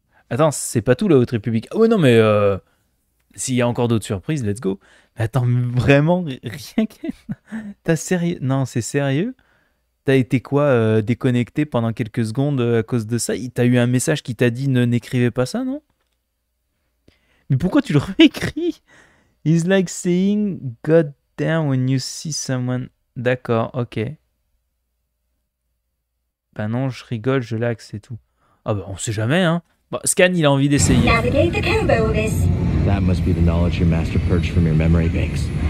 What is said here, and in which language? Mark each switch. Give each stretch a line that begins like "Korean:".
French: Attends, c'est pas tout, la Haute République. Ah ouais, non, mais... S'il y a encore d'autres surprises,
English: let's go.
French: Mais attends, mais vraiment, rien que... T'as sérieux? Non, c'est sérieux? T'as été quoi, déconnecté pendant quelques secondes à cause de ça? T'as eu un message qui t'a dit n'écrivez pas ça, non? Mais pourquoi tu le réécris?
English: It's like saying God damn when you see someone.
French: D'accord, ok. Ben non, je rigole, je laxe et tout. Ah ben, on sait jamais, hein. Bon, Scan, il a envie d'essayer.
English: Navigate the Kobo Abyss. That must be the knowledge your master purged from your memory banks.